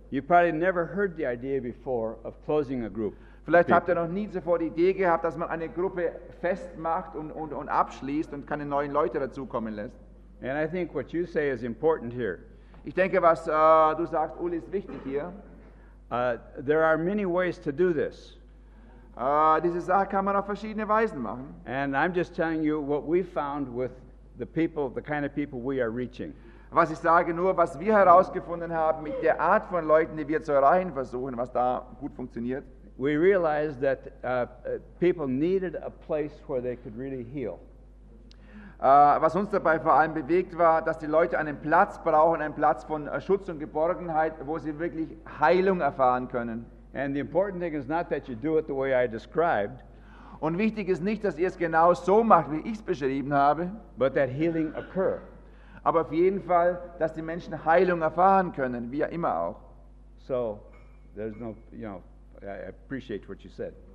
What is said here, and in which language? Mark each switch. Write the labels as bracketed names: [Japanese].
[English] You probably never heard the idea before of closing a group. [German] Vielleicht habt ihr noch nie zuvor die Idee gehabt, dass man eine Gruppe festmacht und abschließt und keine neuen Leute dazukommen lässt. [English] And I think what you say is important here. [German] Ich denke, was du sagst, Uli, ist wichtig hier. [English] There are many ways to do this. [German] Diese Sache kann man auf verschiedene Weisen machen. [English] And I'm just telling you what we found with the people, the kind of people we are reaching. [German] Was ich sage nur, was wir herausgefunden haben mit der Art von Leuten, die wir zu erreichen versuchen, was da gut funktioniert. [English] We realized that people needed a place where they could really heal. [German] Was uns dabei vor allem bewegt war, dass die Leute einen Platz brauchen, einen Platz von Schutz und Geborgenheit, wo sie wirklich Heilung erfahren können. [English] And the important thing is not that you do it the way I described. [German] Und wichtig ist nicht, dass ihr es genau so macht, wie ich es beschrieben habe, [English] but that healing occur. [German] Aber auf jeden Fall, dass die Menschen Heilung erfahren können, wie immer auch. [English] So, there's no, you know, I appreciate what you said.